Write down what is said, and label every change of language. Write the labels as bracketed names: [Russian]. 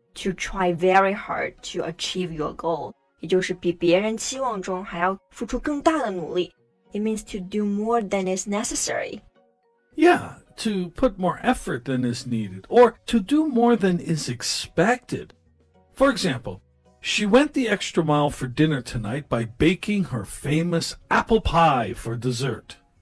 [English] to try very hard to achieve your goal. [Chinese] 也就是比别人期望中还要付出更大的努力。 [English] It means to do more than is necessary. Yeah, to put more effort than is needed, or to do more than is expected. For example, she went the extra mile for dinner tonight by baking her famous apple pie for dessert.